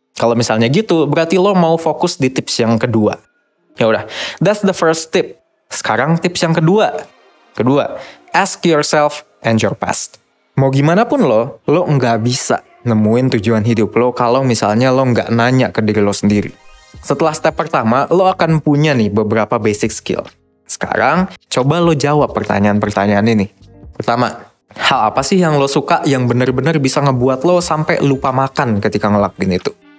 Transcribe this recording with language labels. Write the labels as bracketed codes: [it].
[id] Kalau misalnya gitu, berarti lo mau fokus di tips yang kedua. Ya udah, [en] that's the first tip. [id] Sekarang tips yang kedua. Kedua, [en] ask yourself and your past. [id] Mau gimana pun lo, lo nggak bisa nemuin tujuan hidup lo kalau misalnya lo nggak nanya ke diri lo sendiri. Setelah step pertama, lo akan punya nih beberapa basic skill. Sekarang, coba lo jawab pertanyaan-pertanyaan ini. Pertama, hal apa sih yang lo suka yang benar-benar bisa ngebuat lo sampai lupa makan ketika ngelakuin itu?